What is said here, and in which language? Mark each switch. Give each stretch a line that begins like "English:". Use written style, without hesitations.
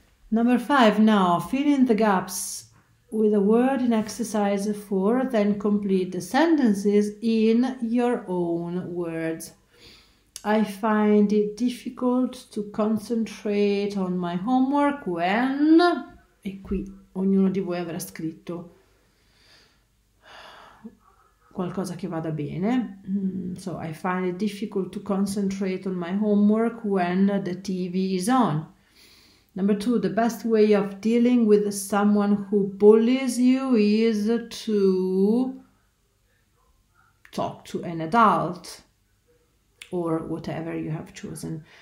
English: Number five, now fill in the gaps with a word in exercise four, then complete the sentences in your own words. I find it difficult to concentrate on my homework when.
Italian: E qui ognuno di voi avrà scritto qualcosa che vada bene.
English: So, I find it difficult to concentrate on my homework when the TV is on. Number two, the best way of dealing with someone who bullies you is to talk to an adult or whatever you have chosen.